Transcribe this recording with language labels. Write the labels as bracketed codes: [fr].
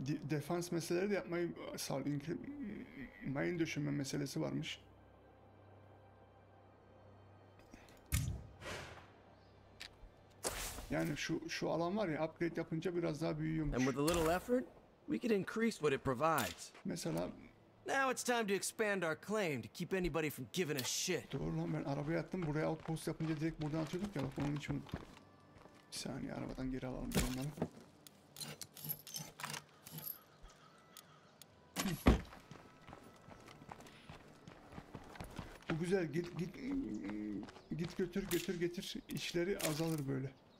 [tr] Defans meseleleri de yapmayı sağlayın ki mayın düşünme meselesi varmış. Yani şu alan var ya, upgrade yapınca biraz daha büyüyormuş. [en] And with a little effort, we could increase what it provides. [tr] Mesela [en] now it's time to expand our claim to keep anybody from giving a shit. [tr] Doğru lan, ben arabaya attım, buraya outpost yapınca direkt buradan atıyorduk ya, bak onun için. Bir saniye, arabadan geri alalım ben onları. Bu güzel, git götür getir, işleri azalır böyle.